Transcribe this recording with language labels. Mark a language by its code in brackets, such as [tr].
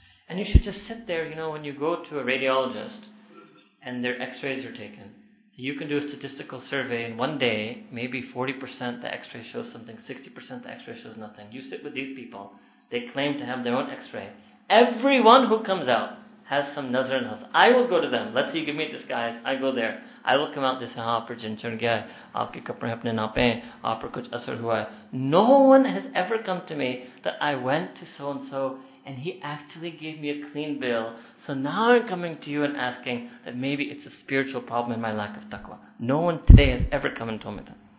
[en] And you should just sit there, you know, when you go to a radiologist and their x-rays are taken, you can do a statistical survey in one day, maybe 40% the x-ray shows something, 60% the x-ray shows nothing. You sit with these people, they claim to have their own x-ray. Everyone who comes out has some nazar and hasad. I will go to them. Let's say you give me a disguise. I go there. I will come out and say, [ur] upper جن چڑھ گیا ہے, آپکے کپڑے اپنے نہ پہنے, upper کچھ اثر ہوا ہے. [en] No one has ever come to me that I went to so-and-so and he actually gave me a clean bill. So now I'm coming to you and asking that maybe it's a spiritual problem in my lack of taqwa. No one today has ever come and told me that.